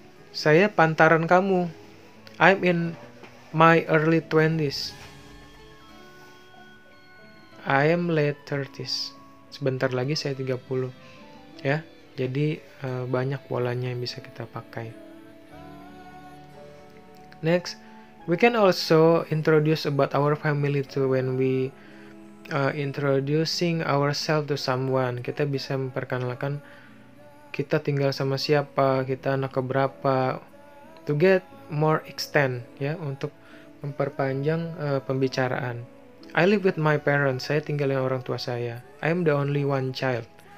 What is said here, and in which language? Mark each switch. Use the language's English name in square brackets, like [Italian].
[Indonesian] Saya pantaran kamu. [English] I'm in my early 20s. I am late 30s. [Indonesian] Sebentar lagi saya 30. [English] Ya. Yeah. [Indonesian] Jadi banyak polanya yang bisa kita pakai. [English] Next, we can also introduce about our family to when we introducing ourselves to someone. [Indonesian] Kita bisa memperkenalkan kita tinggal sama siapa, kita anak keberapa, [English] to get more extent [Indonesian] ya, untuk memperpanjang pembicaraan. [English] I live with my parents. [Indonesian] Saya tinggal dengan orang tua saya. [English] I am the only one child.